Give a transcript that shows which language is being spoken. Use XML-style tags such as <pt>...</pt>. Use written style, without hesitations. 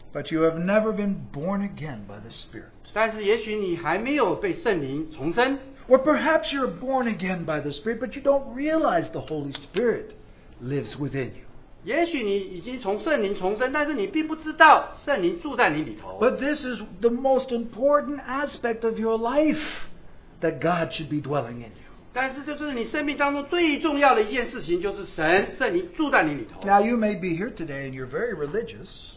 <en>But you have never been born again by the Spirit.</en> <zh>但是也许你还没有被圣灵重生。</zh> <en>Or perhaps you are born again by the Spirit, but you don't realize the Holy Spirit lives within you.</en> <zh>也许你已经从圣灵重生，但是你并不知道圣灵住在你里头。</zh> <en>But this is the most important aspect of your life that God should be dwelling in you.</en> <zh>但是就是你生命当中最重要的一件事情，就是神圣灵住在你里头。</zh> <en>Now you may be here today and you're very religious.</en>